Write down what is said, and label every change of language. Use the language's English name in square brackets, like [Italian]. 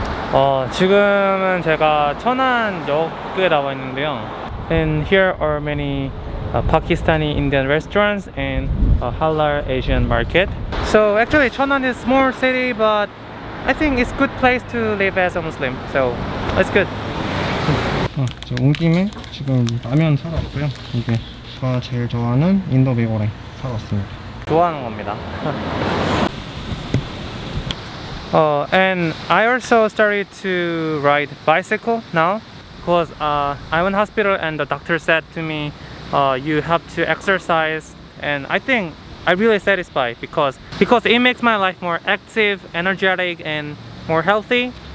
[Korean] Oh, 지금은 제가 천안역에 나와 있는데요. [English] And here are many Pakistani Indian restaurants and a halal Asian market. So actually, Cheonan is a small city, but I think it's a good place to live as a Muslim. So it's good. [Korean] 저 온 김에 지금 라면 사러 왔고요. 이게 제가 제일 좋아하는 인도 미고랭 사러 왔습니다. 좋아하는 겁니다. [English] And I also started to ride bicycle now. Because I went to hospital and the doctor said to me, you have to exercise. And I think I'm really satisfied because it makes my life more active, energetic, and more healthy.